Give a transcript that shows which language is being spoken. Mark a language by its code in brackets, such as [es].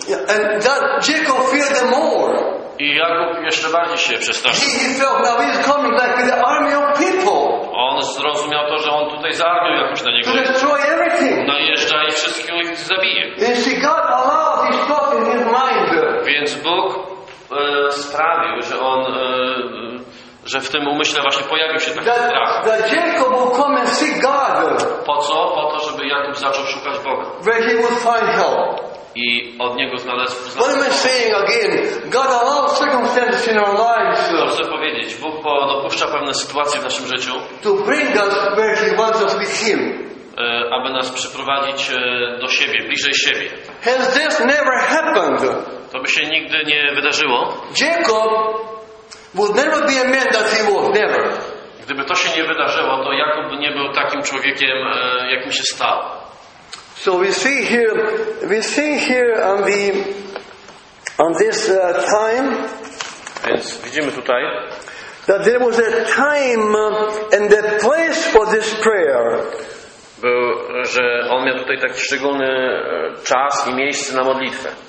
[en] Yeah, and that Jacob feared them more. [pl] I Jakub jeszcze bardziej się przestraszył. [en] He felt now he's coming like with an army of people. [pl] On zrozumiał to, że on tutaj z armią jakoś na niego. [en] To destroy everything. [pl] Najeżdża i wszystkich ich zabije. [en] And see, God allowed his thought in his mind. [pl] Więc Bóg sprawił, że on że w tym umyśle właśnie pojawił się taki strach. [en] That Jacob will come and seek God. [pl] Po co? Po to, żeby Jakub zaczął szukać Boga. [en] Where he will find help. [pl] I od niego znalazł. [en] What am I saying again? God allows circumstances in our lives. [pl] Chcę powiedzieć, Bóg dopuszcza pewne sytuacje w naszym życiu. [en] To bring us where he wants us with him. [pl] Aby nas przyprowadzić do siebie, bliżej siebie. [en] Has this never happened? [pl] To by się nigdy nie wydarzyło. [en] Jacob would never be a man that he was, never. [pl] Gdyby to się nie wydarzyło, to Jakub nie był takim człowiekiem, jakim się stał. [en] So we see here on this time. [pl] Więc widzimy tutaj, [en] that there was a time and the place for this prayer. [pl] Był, że on miał tutaj taki szczególny czas i miejsce na modlitwę.